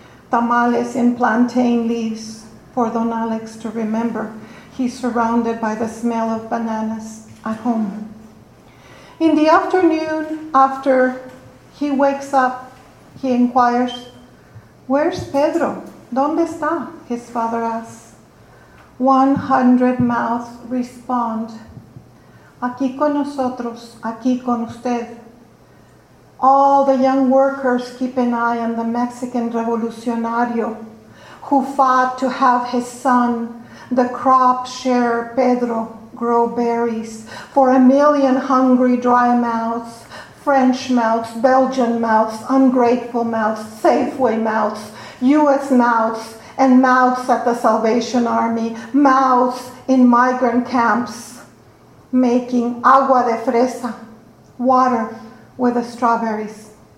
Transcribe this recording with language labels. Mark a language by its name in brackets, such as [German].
[English] Tamales in plantain leaves for Don Alex to remember. He's surrounded by the smell of bananas at home. In the afternoon, after he wakes up, he inquires, where's Pedro? [Spanish] ¿Dónde está? [English] His father asks. 100 mouths respond, [Spanish] aquí con nosotros, aquí con usted. [English] All the young workers keep an eye on the Mexican revolucionario who fought to have his son, the crop sharer Pedro, grow berries for a million hungry dry mouths, French mouths, Belgian mouths, ungrateful mouths, Safeway mouths, US mouths, and mouths at the Salvation Army, mouths in migrant camps, making agua de fresa, water with the strawberries.